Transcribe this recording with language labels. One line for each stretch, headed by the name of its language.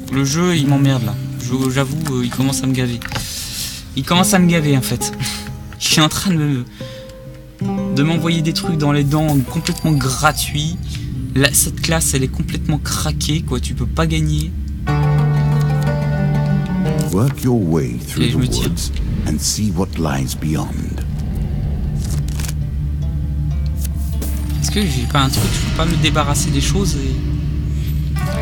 French: Le jeu, il m'emmerde là. J'avoue, il commence à me gaver. Il commence à me gaver en fait. Il est en train de m'envoyer des trucs dans les dents complètement gratuits. Là, cette classe, elle est complètement craquée, quoi. Tu peux pas gagner.
English: Work your way through the woods and see what lies beyond.
French: Est-ce que j'ai pas un truc? Je peux pas me débarrasser des choses et.